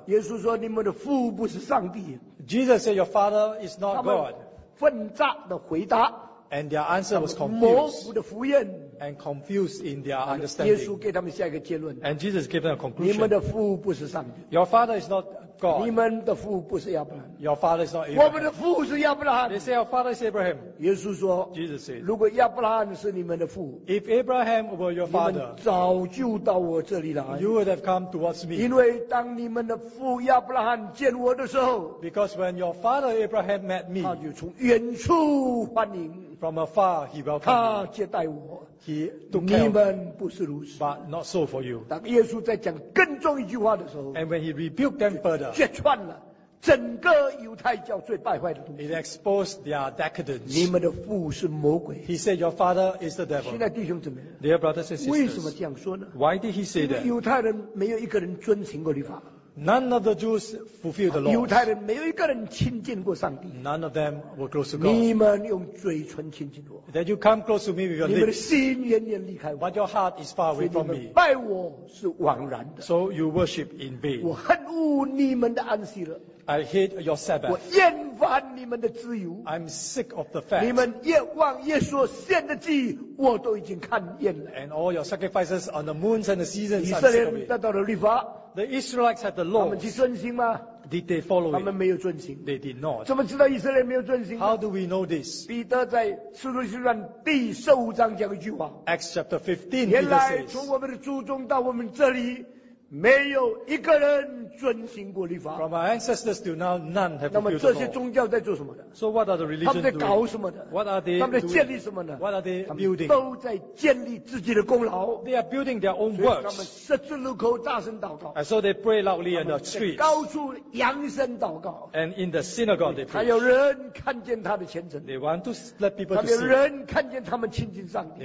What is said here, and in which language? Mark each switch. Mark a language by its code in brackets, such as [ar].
[zh] 耶稣说你们的父不是上帝。 [en] Jesus said your Father is not God. [zh] 他们奋诈的回答。 [en] And their answer was confused. And confused in their understanding. And Jesus gave them a conclusion. [zh] 你们的父不是上帝。 [en] Your father is not God. [zh] 你们的父不是亚伯拉罕。 [en] Your father is not Abraham. [zh] 我们的父是亚伯拉罕。 [en] They say our father is Abraham. [zh] 耶稣说, [en] Jesus said, [zh] 如果亚伯拉罕是你们的父, [en] If Abraham were your father, [zh] 你们早就到我这里来, [en] you would have come towards me. [zh] 因为当你们的父亚伯拉罕见我的时候, [en] Because when your father Abraham met me, [zh] 他就从远处欢迎。 [en] From afar, he welcomed. [zh] 他接待我。 [en] He took care of me. [zh] 你们不是如此。 [en] But not so for you. [zh] 当耶稣在讲更重一句话的时候。 [en] And when he rebuked them further. [zh] 揭穿了整个犹太教最败坏的东西。 [en] It exposed their decadence. [zh] 你们的父是魔鬼。 [en] He said your father is the devil. [zh] 现在弟兄姊妹。 [en] Dear brothers and sisters. [zh] 为什么这样说呢? [en] Why did he say that? [zh] 犹太人没有一个人遵行过律法。 [en] None of the Jews fulfilled the law. [zh] 犹太人没有一个人亲近过上帝。 [en] None of them were close to God. [zh] 你们用嘴唇亲近我。 [en] That you come close to me with your lips. [zh] 你们的心远远离开我。 [en] But your heart is far away from me. [zh] 所以你们拜我是枉然的。 [en] So you worship in vain. [zh] 我恨恶你们的安息了。 [en] I hate your Sabbath. [zh] 我厌烦你们的自由。 [en] I'm sick of the fact. [zh] 你们夜望夜所献的祭，我都已经看厌了。 [en] And all your sacrifices on the moons and the seasons. [zh] 以色列人得到了律法。 [en] The Israelites had the law. [zh] 他们去遵行吗? [en] Did they follow it? [zh] 他们没有遵行。 [en] They did not. [zh] 怎么知道以色列没有遵行? [en] How do we know this? [zh] 彼得在使徒行传第十五章讲一句话。 [en] Acts chapter 15, [zh] 原来从我们的祖宗到我们这里没有一个人遵行过律法。 [en] From our ancestors till now, none have fulfilled the law. [zh] 那么这些宗教在做什么的? [en] So what are the religions doing? [zh] 他们在搞什么的? [en] What are they doing? [zh] 他们在建立什么的? [en] What are they building? [zh] 他们都在建立自己的功劳。 [en] They are building their own works. [zh] 所以他们十字路口大声祷告。 [en] And so they pray loudly in the streets. [zh] 高处扬声祷告。 [en] And in the synagogue they preach. [zh] 他要人看见他的虔诚。 [en] They want to let people to see. [zh] 他们要人看见他们亲近上帝。